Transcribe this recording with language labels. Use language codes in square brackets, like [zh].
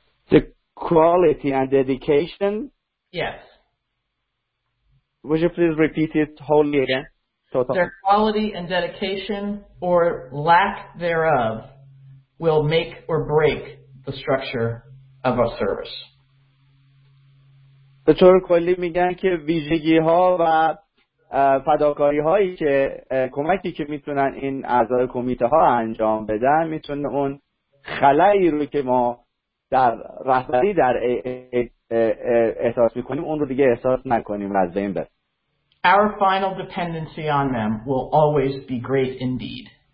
[en] The quality and dedication. Yes. Would you please repeat it wholly again? Totally. Their quality and dedication, or lack thereof, will make or break the structure of a service. [fa] به طور کلی میگن که ویژگی ها و فداکاری هایی که کمکی که میتونن این اعضای کمیته ها انجام بدن میتونه اون خلایی رو که ما در رهبری در احساس میکنیم اون رو دیگه احساس نکنیم و از بین بره. [en] Our final dependency on them will always be great indeed.